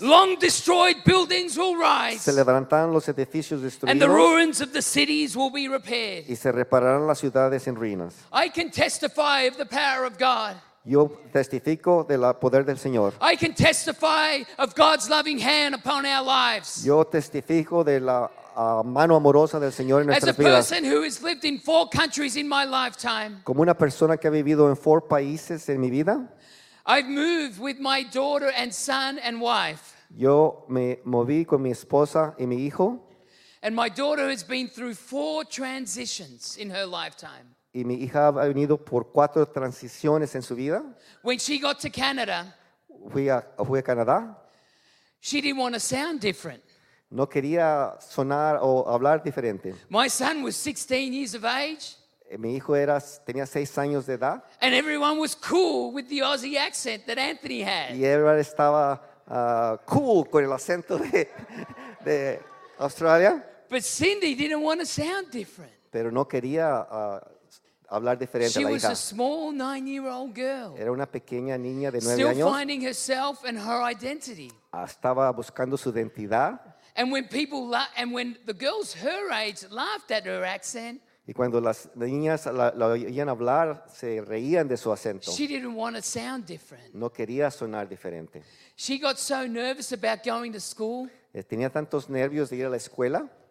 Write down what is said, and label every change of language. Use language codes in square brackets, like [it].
[en] Long destroyed buildings will rise. [es] Se levantarán los edificios destruidos. [en] And the ruins of the cities will be repaired. [es] Y se repararán las ciudades en ruinas. [en] I can testify of the power of God. [es] Yo testifico del poder del Señor. [en] I can testify of God's loving hand upon our lives. [es] Yo testifico de la mano amorosa del Señor en nuestras vidas. [en] As a person who has lived in four countries in my lifetime. [es] Como una persona que ha vivido en [en] four [es] países en mi vida. [en] I've moved with my daughter and son and wife. [es] Yo me moví con mi esposa y mi hijo. [en] And my daughter has been through four transitions in her lifetime. [es] Y mi hija ha venido por cuatro transiciones en su vida. [en] When she got to Canada, [es] fui a Canadá. [en] She didn't want to sound different. [es] No quería sonar o hablar diferente. [en] My son was 16 years of age. [es] Mi hijo tenía 6 años de edad. [en] And everyone was cool with the Aussie accent that Anthony had. [es] Y [en] everyone [es] estaba cool con el acento de Australia. [en] But Cindy didn't want to sound different. [es] Pero no quería hablar diferente [en] she [es] a la [en] was [es] hija. [en] A small 9-year-old girl. [es] Era una pequeña niña de 9 años. [en] Finding herself and her identity. [es] Estaba buscando su identidad. [en] And when people and when the girls her age laughed at her accent. [es] Y cuando las niñas la oían hablar, se reían de su acento. [en] She didn't want to sound different. [es] No quería sonar diferente. [en] She got so nervous about going to school. [es] Tenía tantos nervios de ir a la escuela.